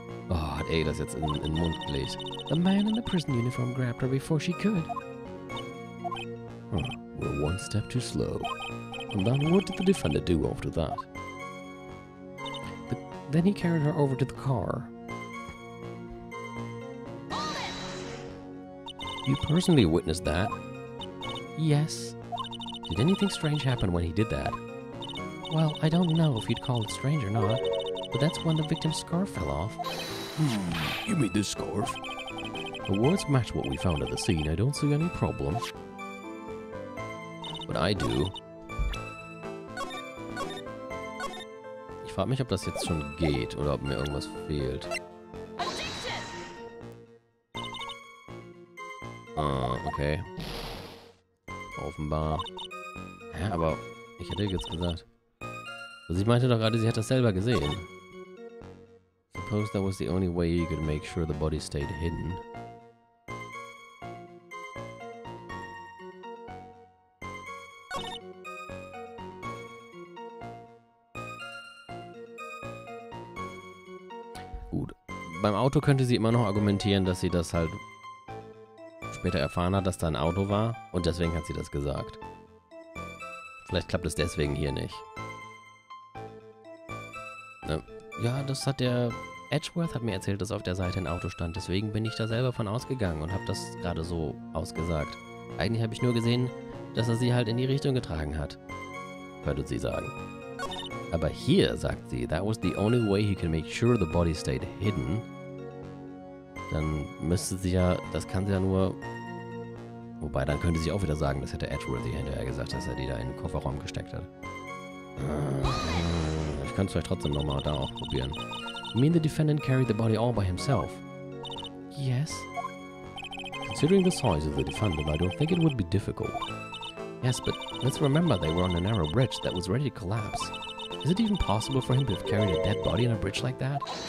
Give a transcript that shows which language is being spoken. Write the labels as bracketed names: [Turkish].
[German] Oh, hat Ada jetzt in den Mund gelegt. [English] The man in the prison uniform grabbed her before she could. Huh, we're one step too slow. And then what did the defender do after that? Then he carried her over to the car. You personally witnessed that? Yes. Did anything strange happen when he did that? Well, I don't know if you'd call it strange or not, but that's when the victim's scarf fell off. You mean this scarf? The words match what we found at the scene. I don't see any problem. But I do. [German] Ich frag mich, ob das jetzt schon geht oder ob mir irgendwas fehlt. Okay. Offenbar. Ja, aber ich hätte jetzt gesagt. Also ich meinte doch gerade, sie hat das selber gesehen. [English] Suppose that was the only way you could make sure the body stayed hidden. [German] Gut. Beim Auto könnte sie immer noch argumentieren, dass sie das halt später erfahren hat, dass da ein Auto war. Und deswegen hat sie das gesagt. Vielleicht klappt es deswegen hier nicht. Ne? Ja, das hat der... Edgeworth hat mir erzählt, dass auf der Seite ein Auto stand. Deswegen bin ich da selber von ausgegangen und habe das gerade so ausgesagt. Eigentlich habe ich nur gesehen, dass er sie halt in die Richtung getragen hat. Hörte sie sagen. Aber hier, sagt sie, [English] that was the only way he could make sure the body stayed hidden. [German] Dann müsste sie ja... Das kann sie ja nur... Wobei, dann könnte sie auch wieder sagen, das hätte Edgeworth ihr hinterher gesagt, dass er die da in den Kofferraum gesteckt hat. Ich könnte es vielleicht trotzdem nochmal da auch probieren. [English] You mean the defendant carried the body all by himself? Yes. Considering the size of the defendant, I don't think it would be difficult. Yes, but let's remember they were on a narrow bridge that was ready to collapse. Is it even possible for him to have carried a dead body on a bridge like that?